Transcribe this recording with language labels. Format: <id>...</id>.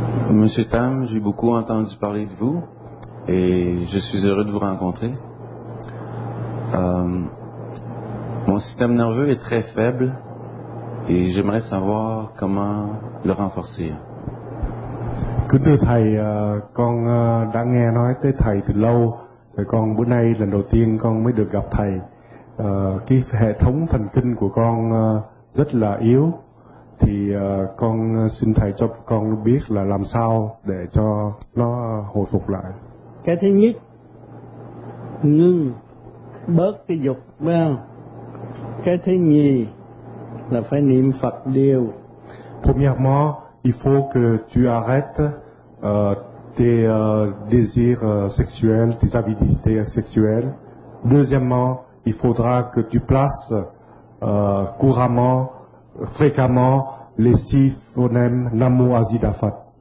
<fr>Monsieur Tam, j'ai beaucoup entendu parler de vous et je suis heureux de vous rencontrer. Mon système nerveux est très faible et j'aimerais savoir comment le renforcer.</fr> <vi>Kính thưa thầy, con đã nghe nói tới thầy từ lâu, rồi con bữa nay lần đầu tiên con mới được gặp thầy. Cái hệ thống thần kinh của con rất là yếu, thì con xin thầy cho con biết là làm sao để cho nó hồi phục lại. Cái thứ nhất, ngưng bớt cái dục, phải không? Cái thứ nhì là phải niệm Phật điều.</vi> <fr>Premièrement, il faut que tu arrêtes tes désirs sexuels, tes avidités sexuelles. Deuxièmement, il faudra que tu places couramment, fréquemment, les six phonèmes Namo Azida Phat.</fr>